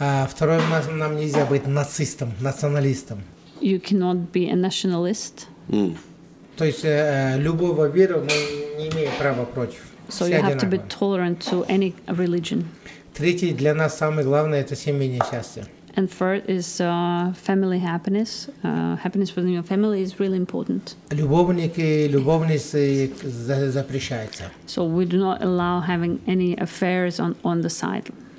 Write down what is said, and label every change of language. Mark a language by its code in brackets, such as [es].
[ru] Второе, нам нельзя быть нацистом, националистом. [en] You cannot be a nationalist. [ru] То есть любого вера мы не имеем права против. [en] So you have to be tolerant to any religion. [ru] Третий, для нас самое главное это семейное счастье. [en] And third is family happiness. Happiness within your family is really important. [ru] Любовники, любовницы запрещаются. [en] So we do not allow having any affairs on the side.